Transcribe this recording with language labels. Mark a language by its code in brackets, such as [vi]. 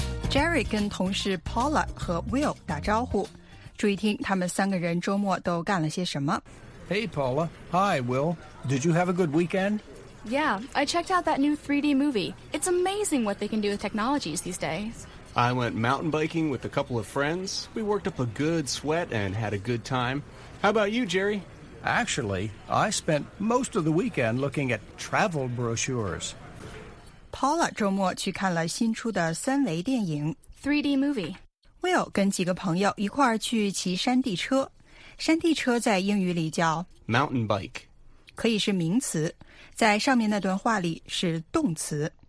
[zh] Jerry 跟同事 Paula 和 Will 打招呼，注意听他们三个人周末都干了些什么。 [en] Hey Paula. Hi Will. Did you have a good weekend? Yeah, I checked out that new 3D movie. It's amazing what they can do with technologies these days. I went mountain biking with a couple of friends. We worked up a good sweat and had a good time. How about you, Jerry? Actually, I spent most of the weekend looking at travel brochures. [zh] Paula 周末去看了新出的三维电影 [en] 3D movie. [zh] Will 跟几个朋友一块儿去骑山地车。山地车在英语里叫 [en] mountain bike. [zh] 可以是名词，在上面那段话里是动词。